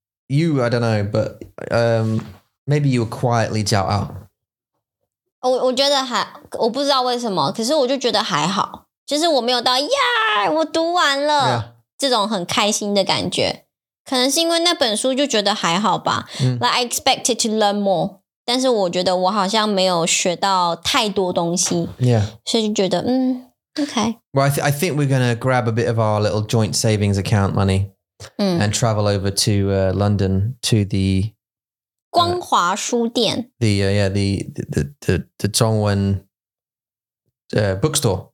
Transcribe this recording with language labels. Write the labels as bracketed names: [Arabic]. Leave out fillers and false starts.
[English] You, I don't know, but maybe you were quietly jout out. Oh, I think I don't know why, but I just think it's okay. Just I didn't go, yeah, I read it. Yeah. This very happy feeling. Maybe it's because that book, I think it's okay. Like, I expected to learn more. [Chinese] 但是我觉得我好像没有学到太多东西。 [English] Yeah. [Chinese] 所以就觉得, Okay. [English] Well, I think we're going to grab a bit of our little joint savings account money and travel over to London to the [Chinese] 光华书店. [English] The Zhongwen bookstore.